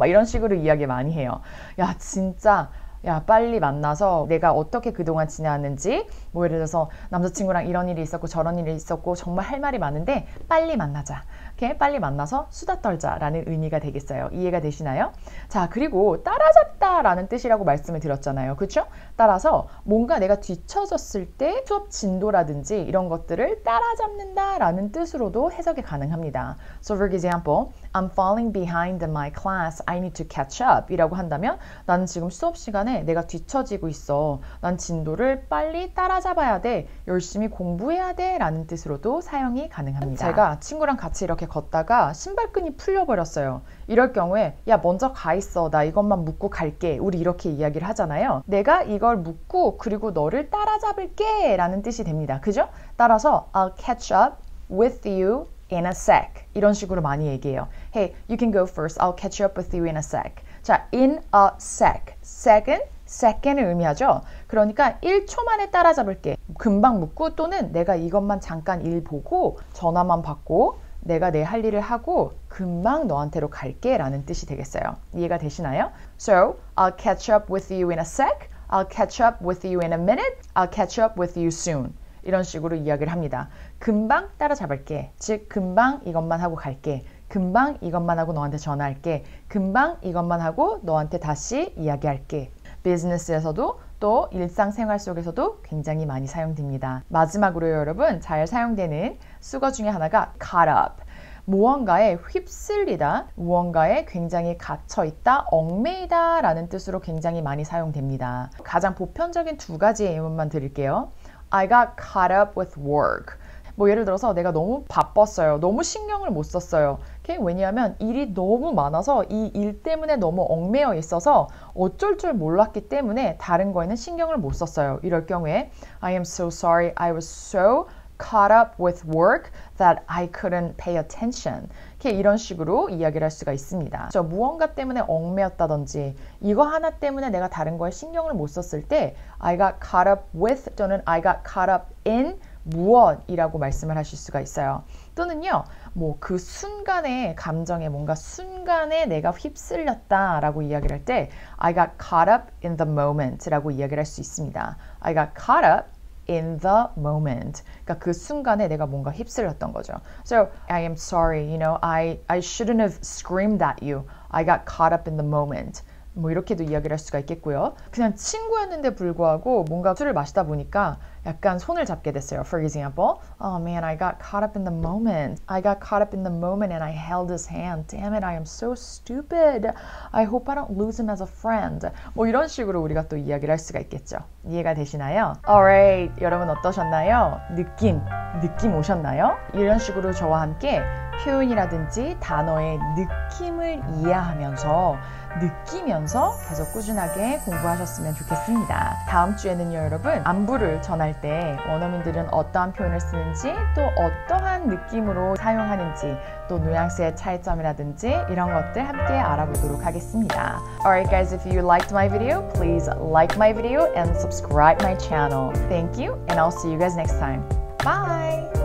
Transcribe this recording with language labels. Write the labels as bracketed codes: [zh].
[ko] 막 이런 식으로 이야기 많이 해요. 야, 진짜. 야, 빨리 만나서 내가 어떻게 그동안 지내왔는지 뭐 예를 들어서 남자친구랑 이런 일이 있었고 저런 일이 있었고 정말 할 말이 많은데 빨리 만나자. 오케이? 빨리 만나서 수다 떨자라는 의미가 되겠어요. 이해가 되시나요? 자, 그리고 따라잡다 라는 뜻이라고 말씀을 드렸잖아요. 그렇죠? 따라서 뭔가 내가 뒤처졌을 때 수업 진도라든지 이런 것들을 따라잡는다 라는 뜻으로도 해석이 가능합니다. [en] So for example, I'm falling behind in my class. I need to catch up [ko] 이라고 한다면 나는 지금 수업 시간에 내가 뒤처지고 있어. 난 진도를 빨리 따라잡아야 돼. 열심히 공부해야 돼 라는 뜻으로도 사용이 가능합니다. 제가 친구랑 같이 이렇게 걷다가 신발끈이 풀려버렸어요. 이럴 경우에 야 먼저 가 있어. 나 이것만 묶고 갈게. 우리 이렇게 이야기를 하잖아요. 내가 이걸 묶고 그리고 너를 따라잡을게 라는 뜻이 됩니다. 그죠? 따라서 [en] I'll catch up with you in a sec. [ko] 이런 식으로 많이 얘기해요. [en] Hey, you can go first. I'll catch up with you in a sec. [ko] 자, [en] in a sec. [ko] Sec은 second을 의미하죠. 그러니까 1초 만에 따라잡을게. 금방 묶고 또는 내가 이것만 잠깐 일 보고 전화만 받고 내가 내 할 일을 하고 금방 너한테로 갈게 라는 뜻이 되겠어요. 이해가 되시나요? [en] So, I'll catch up with you in a sec. I'll catch up with you in a minute. I'll catch up with you soon. [ko] 이런 식으로 이야기를 합니다. 금방 따라잡을게. 즉, 금방 이것만 하고 갈게. 금방 이것만 하고 너한테 전화할게. 금방 이것만 하고 너한테 다시 이야기할게. 비즈니스에서도 또 일상생활 속에서도 굉장히 많이 사용됩니다. 마지막으로 여러분, 잘 사용되는 수거 중에 하나가 caught up. 무언가에 휩쓸리다, 무언가에 굉장히 갇혀있다, 얽매이다 라는 뜻으로 굉장히 많이 사용됩니다. 가장 보편적인 두 가지의 예문만 드릴게요. [en] I got caught up with work. [ko] 뭐 예를 들어서 내가 너무 바빴어요. 너무 신경을 못 썼어요. 왜냐하면 일이 너무 많아서 이 일 때문에 너무 얽매여 있어서 어쩔 줄 몰랐기 때문에 다른 거에는 신경을 못 썼어요. 이럴 경우에 [en] I am so sorry. I was so caught up with work that I couldn't pay attention. [ko] 이런 식으로 이야기를 할 수가 있습니다. 저 무언가 때문에 얽매였다든지 이거 하나 때문에 내가 다른 거에 신경을 못 썼을 때 [en] I got caught up with [ko] 또는 [en] I got caught up in [ko] 무엇이라고 말씀을 하실 수가 있어요. 또는요, 뭐 그 순간에 감정에 뭔가 순간에 내가 휩쓸렸다 라고 이야기를 할 때 [en] I got caught up in the moment [ko] 라고 이야기를 할 수 있습니다. [en] I got caught up in the moment. [ko] 그러니까 그 순간에 내가 뭔가 휩쓸렸던 거죠. [en] So I am sorry, you know, I shouldn't have screamed at you. I got caught up in the moment. [ko] 뭐 이렇게도 이야기를 할 수가 있겠고요. 그냥 친구였는데 불구하고 뭔가 술을 마시다 보니까 약간 손을 잡게 됐어요. [en] For example, Oh man, I got caught up in the moment. I got caught up in the moment and I held his hand. Damn it, I am so stupid. I hope I don't lose him as a friend. [ko] 뭐 이런 식으로 우리가 또 이야기를 할 수가 있겠죠. 이해가 되시나요? [en] Alright, [ko] 여러분 어떠셨나요? 느낌 오셨나요? 이런 식으로 저와 함께 표현이라든지 단어의 느낌을 이해하면서 느끼면서 계속 꾸준하게 공부하셨으면 좋겠습니다. 다음 주에는요, 여러분, 안부를 전할 때 원어민들은 어떠한 표현을 쓰는지 또 어떠한 느낌으로 사용하는지 또 뉘앙스의 차이점이라든지 이런 것들 함께 알아보도록 하겠습니다. [en] Alright guys, if you liked my video, please like my video and subscribe my channel. Thank you and I'll see you guys next time. Bye!